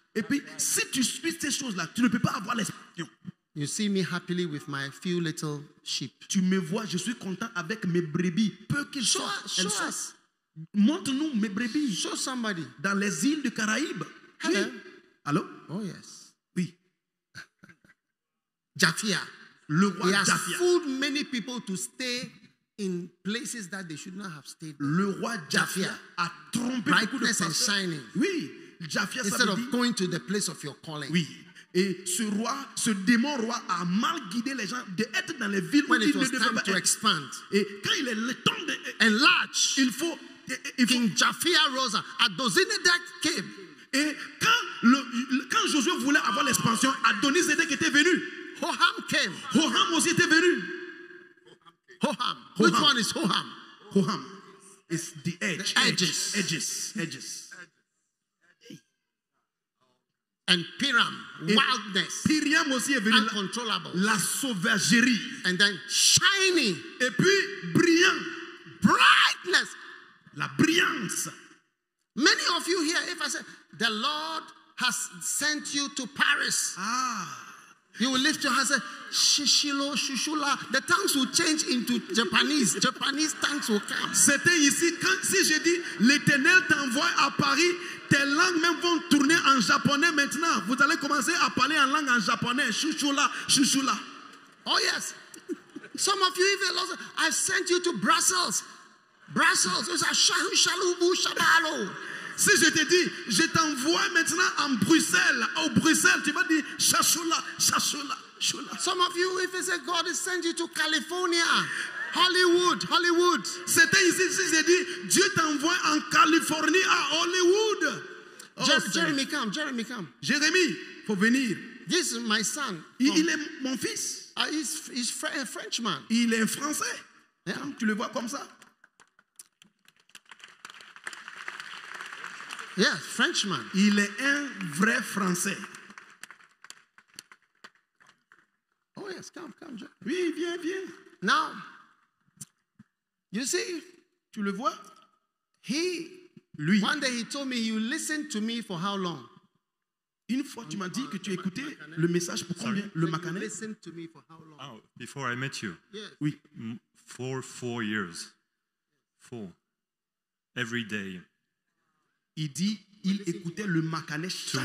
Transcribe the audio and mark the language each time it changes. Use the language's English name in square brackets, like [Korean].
[French] Et puis, si tu suis ces choses-là, tu ne peux pas avoir l'expansion. [English] You see me happily with my few little sheep. [French] Tu me vois, je suis content avec mes brebis. Peu qu'ils soient. [English] Show us. [French] Montre-nous mes brebis. [English] Show somebody. [French] Dans les îles du Caraïbes. [English] Hello. [French] Allô? [English] Oh yes. [French] Oui. [English] Jafia. [French] Le roi Jafia. [English] He has fooled many people to stay in places that they should not have stayed. [French] Le roi Jafia a trompé beaucoup de personnes. [English] Brightness and shining. [French] Oui. Jafia, [English] instead of going to the place of your calling. [French] Oui. Et ce démon roi a mal guidé les gens d'être dans les villes [English] when [French] où ils ne devaient pas être. [English] When it was time to expand. [French] Et quand il est le temps de [English] enlarge. [French] Il faut. [English] King Jafia rose at Dozinedek came. [French] Et quand Josué voulait avoir l'expansion, Adonis était venu. [English] Hoham came. [French] Hoham aussi était venu. [English] Hoham. Which one is Hoham? Hoham. It's the edge. The edges. Edges. And Piram, wildness. [French] Piram aussi est venu. [English] Uncontrollable. [French] La sauvagerie. [English] And then shiny. [French] Et puis brillant. [English] Brightness. [French] La brillance. [English] Many of you here, if I say, the Lord has sent you to Paris. Ah. You will lift your hands and say, Shishilo, Shushula. The tongues will change into Japanese. Japanese tongues will come. [French] C'était ici, quand si j'ai dit, l'Éternel t'envoie à Paris, tes langues même vont tourner en japonais maintenant. Vous allez commencer à parler en langue en japonais. Shushula, Shushula. [English] Oh yes. Some of you even lost, I sent you to Brussels. Brussels. [French] Si je te dis, je t'envoie maintenant en Bruxelles, au Bruxelles, tu vas dire chachoula, chachoula, chula. [English] Some of you, if they say God has sent you to California, Hollywood. [French] C'était ici, si je dis, Dieu t'envoie en Californie, à Hollywood. [English] Jeremy, come. [French] Jeremy, faut venir. [English] This is my son. [French] Il est mon fils. [English] He's a Frenchman. [French] Il est français. [English] Yeah. [French] Tu le vois comme ça? [English] Yes, Frenchman. [French] Il est un vrai français. [English] Oh yes, come, John. [French] Oui, viens. [English] Now, you see, [French] tu le vois? [English] He, [French] lui. [English] One day he told me, you listen to me for how long? [French] Une fois, tu m'as dit que tu écoutais le message pour combien? [English] Sorry. [French] Le macané? [English] Listen to me for how long? Oh, before I met you. Yes. [French] Oui. [English] Four years. Four. Every day. [French] Il dit, il écoutait le Makané chaque jour.